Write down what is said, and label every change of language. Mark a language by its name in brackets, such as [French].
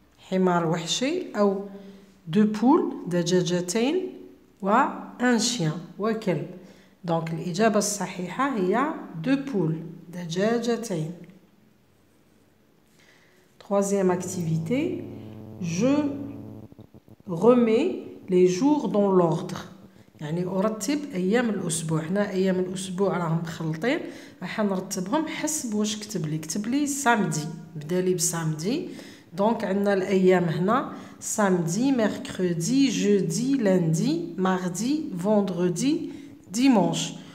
[Arabic] حمار وحشي أو [French] دو بول [Arabic] دجاجتين وان شيان وكلب. دونك الإجابة الصحيحة هي [French] دو بول [Arabic] دجاجتين. [French] Troisième activité, je remets les jours dans l'ordre. [Arabic] يعني أرتب أيام الأسبوع. هنا أيام الأسبوع راهم مخلطين، راح نرتبهم حسب واش كتب لي. كتب لي سامدي، بدالي بسامدي. [French] Donc, on a [Arabic] l'ayam hna, [French] samedi, mercredi, jeudi, lundi, mardi, vendredi, dimanche.